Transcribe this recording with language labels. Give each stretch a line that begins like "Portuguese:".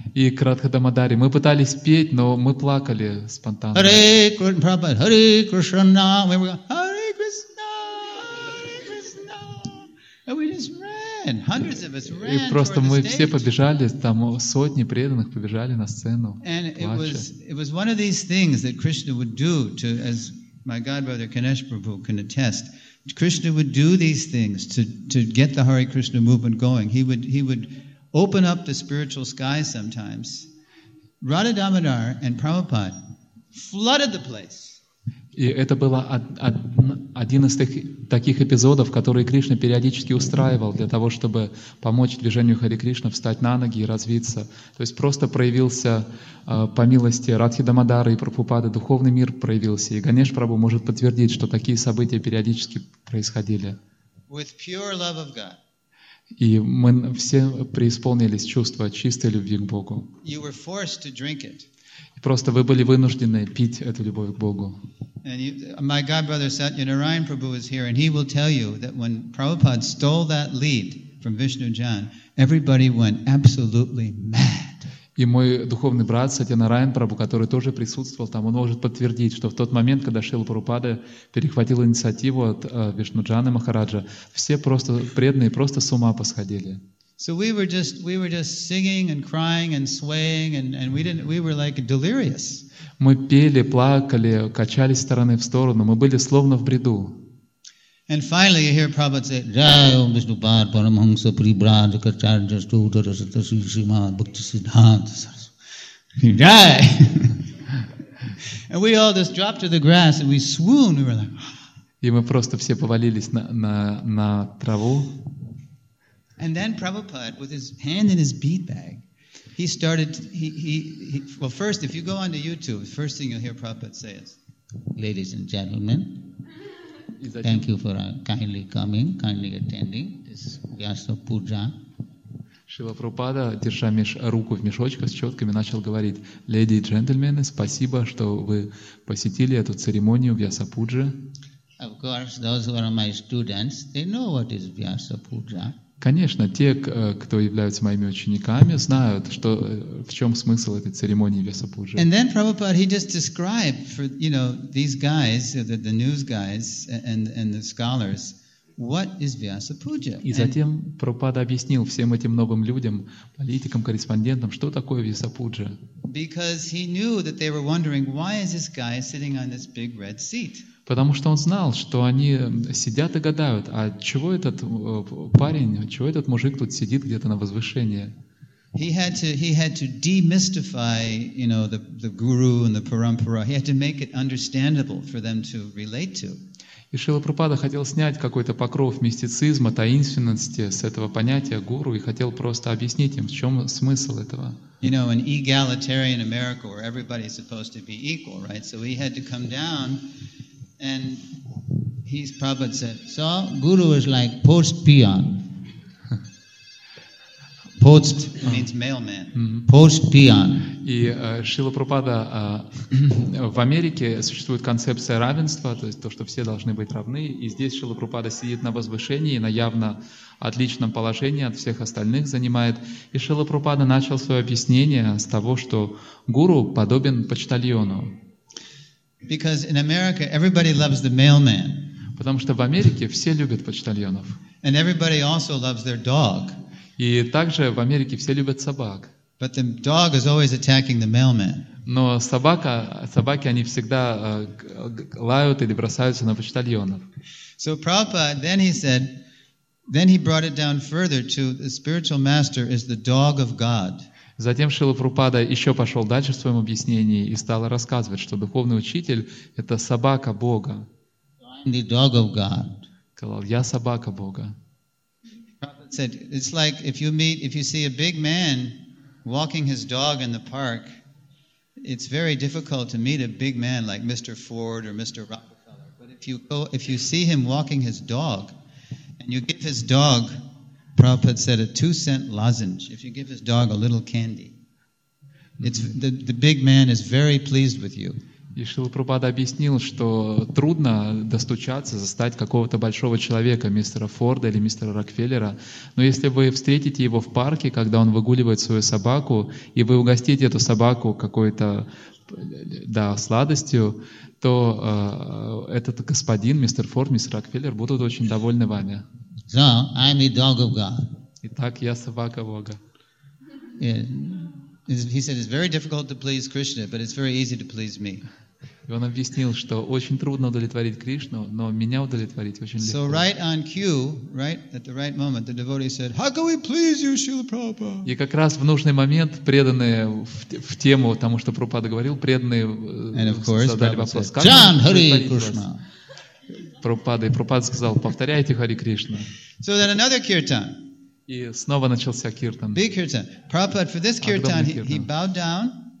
Russian: И к Радха Дамодаре мы пытались петь, но мы плакали спонтанно.
English: Hare Krishna, Prabhupada, Hare Krishna. We were going, Hare Krishna, Hare Krishna. And we just ran. Hundreds of us ran.
Russian: И просто мы все побежали, там сотни преданных побежали на сцену.
English: And it was one of these things that Krishna would do to, as my godbrother Kanesh Prabhu can attest. Krishna would do these things to get the Hare Krishna movement going. He would open up the spiritual sky sometimes. Radha Damodar and Prabhupada flooded the place.
Russian: И это было один из таких эпизодов, которые Кришна периодически устраивал для того, чтобы помочь движению Хари Кришна встать на ноги и развиться. То есть просто проявился по милости Радхи Дамодары и Прабхупады, духовный мир проявился. И Ганеш Прабху может подтвердить, что такие события периодически происходили.
English: With pure love of God.
Russian: И мы все преисполнились чувства чистой любви к Богу.
English: You were forced to drink it.
Russian: И просто вы были вынуждены пить эту любовь к Богу.
English: And my godbrother Satyanarayan Prabhu is here, and he will tell you that when Prabhupada stole that lead from Vishnujan, everybody went absolutely mad.
Russian: И мой духовный брат Сатьянараян Прабху, который тоже присутствовал там, он может подтвердить, что в тот момент, когда Шрила Прабхупада перехватил инициативу от Вишнуджаны Махараджа, все просто преданные просто с ума посходили.
English: So we were just singing and crying and swaying and we were like delirious.
Russian: Мы пели, плакали, качались стороны в сторону. Мы были словно в бреду.
English: And finally you hear Prabhupada say, Jai Om Vishnupad Paramahamsa Paribraja Kacharya Stodara Sata Sri Srimad Bhakti Siddhanta Saraswati. Jai! And we all just dropped to the grass and we swooned. We were like...
Russian: И мы просто все повалились на траву.
English: And then Prabhupada, with his hand in his bead bag, He started, if you go onto YouTube, the first thing you'll hear Prabhupada say is, Ladies and gentlemen, thank you for kindly coming, kindly attending this Vyasa Puja.
Russian: Шрила Прабхупада, держа руку в мешочке с четками, начал говорить, Леди и джентльмены, спасибо, что вы посетили эту церемонию Vyasa Puja.
English: Of course, those who are my students, they know what is Vyasa Puja.
Russian: Конечно, те, кто являются моими учениками, знают, что, в чем смысл этой церемонии Vyasa Puja.
English: And then Prabhupada, he just described for, you know, these guys, the news guys and the scholars, what is Vyasa Puja.
Russian: И затем Прабхупада объяснил всем этим новым людям, политикам, корреспондентам, что такое Vyasa Puja.
English: Because he knew that they were wondering, why is this guy sitting on this big red seat?
Russian: Потому что он знал, что они сидят и гадают, а чего этот парень, чего этот мужик тут сидит где-то на возвышении?
English: He had to demystify, you know, the guru and the parampara. He had to make it understandable for them to relate to.
Russian: И Шрила Прабхупада хотел снять какой-то покров мистицизма, таинственности с этого понятия гуру и хотел просто объяснить им, в чем смысл этого.
English: You know, an egalitarian America where everybody is supposed to be equal, right? So he had to come down and he's Prabhupada said, so guru is like post peon. Post means mailman. Post peon.
Russian: И Шрила Прабхупада в Америке существует концепция равенства, то есть то, что все должны быть равны. И здесь Шрила Прабхупада сидит на возвышении, на явно отличном положении от всех остальных занимает. И Шрила Прабхупада начал свое объяснение с того, что гуру подобен почтальону.
English: Because in America everybody loves the mailman.
Russian: Потому что в Америке все любят почтальонов.
English: And everybody also loves their dog.
Russian: И также в Америке все любят собак.
English: But the dog is always attacking the mailman.
Russian: Но собаки, они всегда лают или бросаются на почтальонов.
English: So Prabhupada, then he brought it down further to the spiritual master is the dog of God.
Russian: Затем Шрила Прабхупада еще пошел дальше в своем объяснении и стал рассказывать, что духовный учитель — это собака Бога.
English: I'm the dog of God.
Russian: Сказал, я собака Бога.
English: Said it's like if you see a big man walking his dog in the park, it's very difficult to meet a big man like Mr. Ford or Mr. Rockefeller. But if you see him walking his dog, and you give his dog, Prabhupada said, a 2-cent lozenge. If you give his dog a little candy, it's the big man is very pleased with you.
Russian: И Шрила Прабхупада объяснил, что трудно достучаться, застать какого-то большого человека, мистера Форда или мистера Рокфеллера. Но если вы встретите его в парке, когда он выгуливает свою собаку, и вы угостите эту собаку какой-то, да, сладостью, то этот господин, мистер Форд, мистер Рокфеллер, будут очень довольны вами.
English: So, I'm the dog of God.
Russian: Итак, я собака Бога.
English: He said, it's very difficult to please Krishna, but it's very easy to please me.
Russian: И он объяснил, что очень трудно удовлетворить Кришну, но меня удовлетворить очень легко.
English: So right on cue, right at the right moment, the devotee said, how can we please you, Srila Prabhupada?
Russian: И как раз в нужный момент преданные в тему тому, что Прабхупада говорил, преданные задали вопрос, как
English: John, Hare Krishna.
Russian: Прабхупада, и Прабхупада сказал, повторяйте Хари Кришна.
English: So then another kirtan.
Russian: И снова начался киртан.
English: Big kirtan. Prabhupada, for this kirtan, he bowed down.